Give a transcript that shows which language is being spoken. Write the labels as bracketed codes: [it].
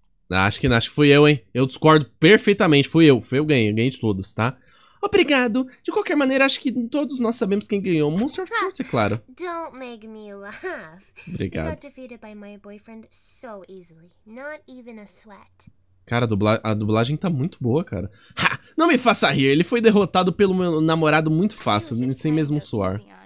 [pt] Acho que fui eu, hein? Eu discordo perfeitamente, fui eu ganhei, eu ganhei de todos, tá? Obrigado. De qualquer maneira, acho que todos nós sabemos quem ganhou. Monster of Truth, é claro. [en] Don't make me laugh. [pt] Obrigado. [en] You got defeated by my boyfriend so easily. Not even a sweat. [pt] Cara, a dublagem tá muito boa, cara. Ha! Não me faça rir. Ele foi derrotado pelo meu namorado muito fácil, sem mesmo suar.